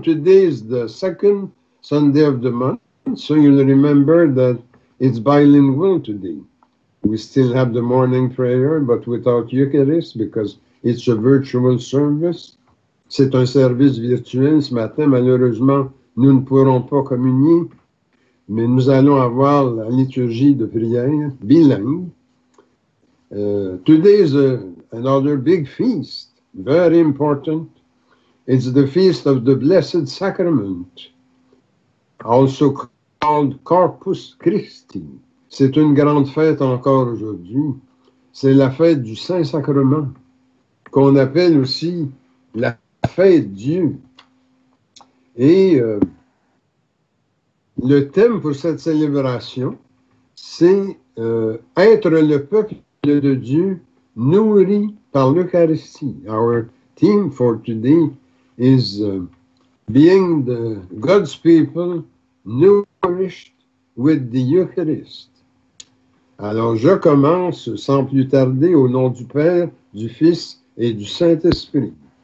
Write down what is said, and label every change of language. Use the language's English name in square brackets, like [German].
[English] Today is the second Sunday of the month. So you'll remember that it's bilingual today. We still have the morning prayer, but without Eucharist, because it's a virtual service. [French] C'est un service virtuel ce matin. Malheureusement, nous ne pourrons pas communier, mais nous allons avoir la liturgie de prière bilingue. [English] Today is another big feast. Very important. It's the feast of the Blessed Sacrament, also called Corpus Christi. [French] C'est une grande fête encore aujourd'hui. C'est la fête du Saint-Sacrement, qu'on appelle aussi la fête Dieu. Et le thème pour cette célébration, c'est être le peuple de Dieu nourri par l'Eucharistie. [English] Our theme for today is being the God's people nourished with the Eucharist. [French] Alors, je commence sans plus tarder au nom du Père, du Fils et du Saint-Esprit.